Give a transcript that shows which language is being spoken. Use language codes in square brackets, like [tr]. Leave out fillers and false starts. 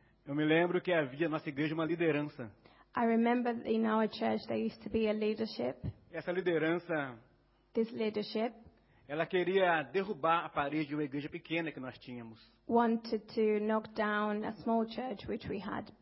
[pt] Eu me lembro que havia na nossa igreja uma liderança. [en] I remember in our church there used to be a leadership. [pt] Essa liderança. [en] This leadership. [pt] Ela queria derrubar a parede de uma igreja pequena que nós tínhamos. [en] Wanted to knock down a small church which we had.